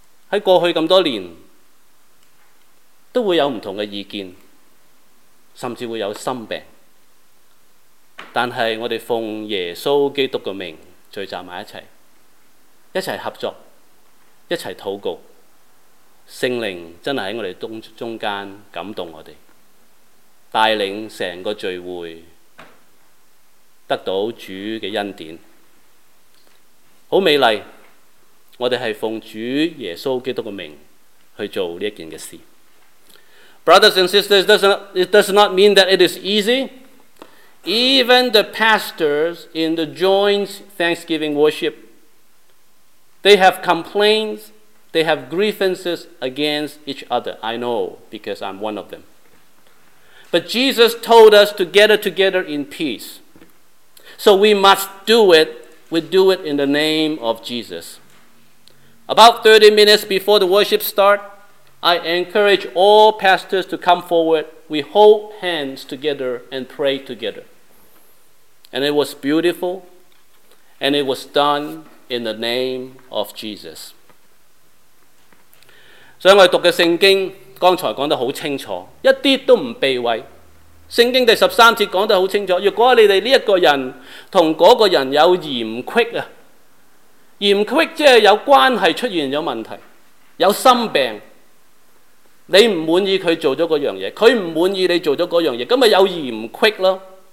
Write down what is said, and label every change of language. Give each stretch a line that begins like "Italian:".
Chinese: 在过去这么多年都会有不同的意见，甚至会有心病，但是我们奉耶稣基督的名聚集在一起，一起合作，一起祷告，圣灵真的在我们中间感动我们，带领整个聚会得到主的恩典，好美丽。我们是奉主耶稣基督的名去做这件事。
English: Brothers and sisters, it does not mean that it is easy. Even the pastors in the joint Thanksgiving worship, they have complaints, they have grievances against each other. I know, because I'm one of them. But Jesus told us to gather together in peace. So we must do it. We do it in the name of Jesus. About 30 minutes before the worship start, I encourage all pastors to come forward. We hold hands together and pray together. And it was beautiful. And it was done in the name of Jesus.
Chinese: 所以我读的圣经刚才讲得很清楚，一点都不避讳。圣经第十三节讲得很清楚，如果你们这个人和那个人有嫌隙，嫌隙即是有关系出现了问题，有心病，你不满意他做了那样东西，他不满意你做了那样东西，那就有嫌隙咯。